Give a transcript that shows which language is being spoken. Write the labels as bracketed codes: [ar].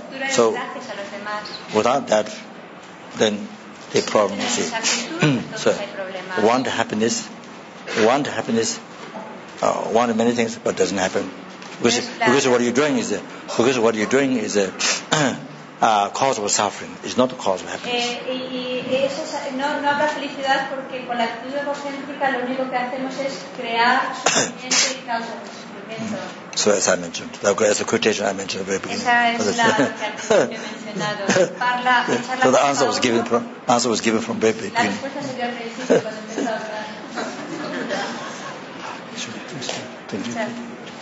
[en] So without that, then the problem is here. So want happiness, want many things, but doesn't happen. Because what you're doing is a cause of suffering. It's not the cause of happiness. [es] No habrá felicidad porque con la actitud egocéntrica lo único que hacemos es crear sufrimiento y causa de sufrimiento. [en] So as I mentioned, as a quotation I mentioned at the very beginning. So the answer was given from very beginning.